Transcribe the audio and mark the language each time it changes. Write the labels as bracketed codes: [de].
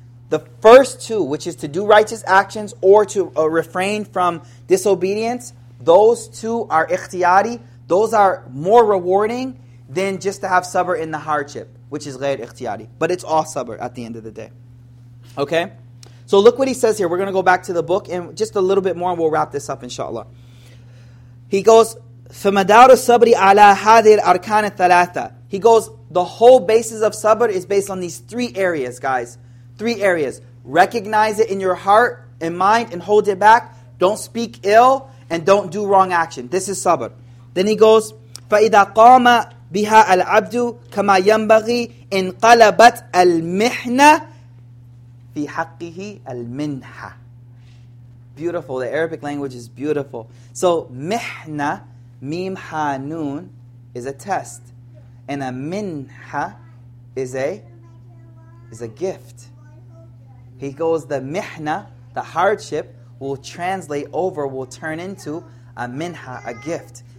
[en] The first two, which is to do righteous actions or to refrain from disobedience, those two are ikhtiyari. Those are more rewarding than just to have sabr in the hardship, which is ghayr ikhtiyari. But it's all sabr at the end of the day. Okay? So look what he says here. We're going to go back to the book and just a little bit more and we'll wrap this up, inshallah. He goes, [ar] فَمَدَارُ السَّبْرِ عَلَىٰ هَذِي الْأَرْكَانِ الثَّلَاثَةِ. [en] He goes, the whole basis of sabr is based on these three areas, guys. Three areas. Recognize it in your heart and mind and hold it back. Don't speak ill. And don't do wrong action. This is sabr. Then he goes, [ar] فَإِذَا قَامَ بِهَا الْعَبْدُ كَمَا يَنْبَغِي إِنْقَلَبَتْ الْمِحْنَةِ في حقه المنحة. [en] Beautiful. The Arabic language is beautiful. So [ar] محنة ميم حا نون [en] is a test, and a منحة is a gift. He goes, the mihna, the hardship, will translate over, will turn into a minha, a gift.